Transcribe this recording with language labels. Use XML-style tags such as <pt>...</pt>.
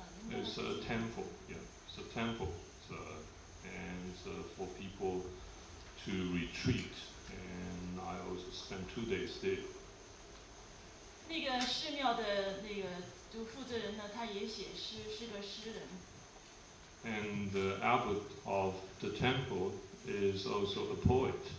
<en>It's a temple, yeah, it's a temple, and it's for people to retreat. And I also spent 2 days there.</en> <zh>那个寺庙的那个负责人呢，他也写诗，是个诗人。</zh> <en>And the abbot of the temple is also a poet.</en>